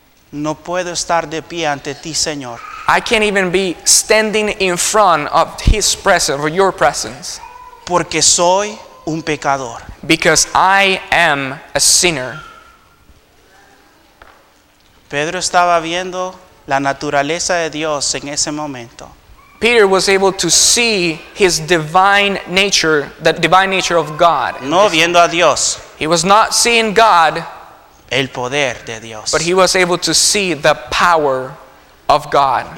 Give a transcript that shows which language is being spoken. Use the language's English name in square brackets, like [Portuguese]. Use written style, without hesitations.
[Spanish] no puedo estar de pie ante ti, Señor. [English] I can't even be standing in front of his presence or your presence. [Spanish] Porque soy un pecador. [English] Because I am a sinner. [Spanish] Pedro estaba viendo la naturaleza de Dios en ese momento. [English] Peter was able to see his divine nature, the divine nature of God. [Spanish] No viendo a Dios. [English] He was not seeing God. [Spanish] El poder de Dios. [English] But he was able to see the power of God.